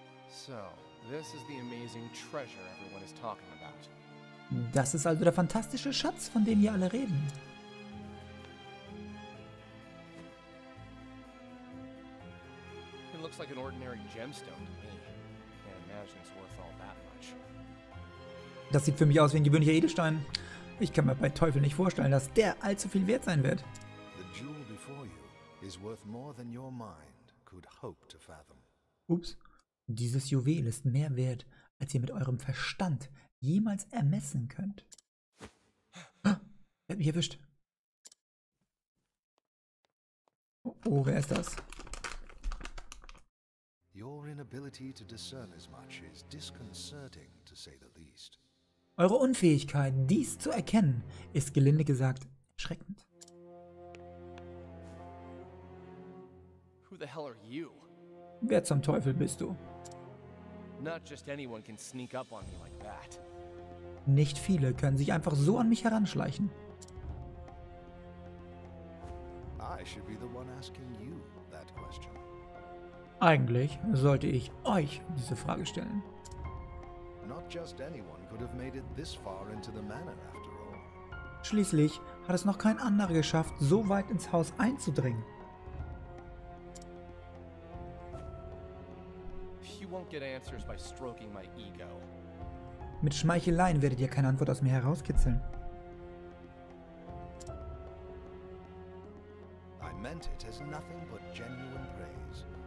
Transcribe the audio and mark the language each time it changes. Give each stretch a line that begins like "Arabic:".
English: So, this is the amazing treasure everyone is talking about.
German: Das ist also der fantastische Schatz, von dem hier alle reden.
English: It looks like an ordinary gemstone to me. Can't imagine it's worth all that much.
German: Das sieht für mich aus wie ein gewöhnlicher Edelstein. Ich kann mir bei Teufel nicht vorstellen, dass der allzu viel wert sein wird.
English: The jewel before you is worth more than your mind could hope to fathom.
German: Ups. Dieses Juwel ist mehr wert, als ihr mit eurem Verstand jemals ermessen könnt. Er hat mich erwischt. Oh, wer ist das?
English: Your inability to discern as much is disconcerting, to say the least.
German: Eure Unfähigkeit, dies zu erkennen, ist gelinde gesagt erschreckend.
English: Who the hell are you?
German: Wer zum Teufel bist du?
English: Not just anyone can sneak up on me like that.
German: Nicht viele können sich einfach so an mich heranschleichen.
English: I should be the one asking you that question.
German: Eigentlich sollte ich euch diese Frage stellen.
English: Not just anyone could have made it this far into the manor after all.
German: Schließlich hat es noch kein anderer geschafft, so weit ins Haus einzudringen.
English: Get answers by stroking my ego.
German: Mit Schmeicheleien werdet ihr keine Antwort aus mir herauskitzeln.
English: I meant it as nothing but genuine praise.